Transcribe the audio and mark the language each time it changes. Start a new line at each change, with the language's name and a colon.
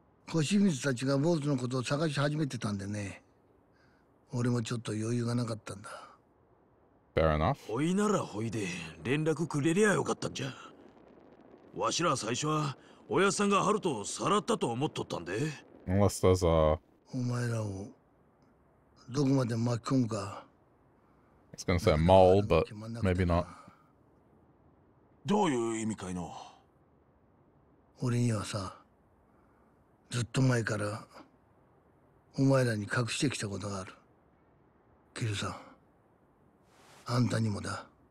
Japanese: コシミツたちが坊主のことを探し始めてたんでね、俺もちょっと余裕がなかったんだ。
English: Fair enough.
Japanese: ほいならほいで連絡くれりゃよかったんじゃ。わしら最初は親さんがハルトをさらったと思っとったんで。
English: Unless there's a...
Japanese: お前らをどこまで巻き込むか。
English: I was gonna say a mole, but maybe not.
Japanese: どういう意味かいの。俺にはさ、ずっと前からお前らに隠してきたことがある。キルさん、あんたにもだ。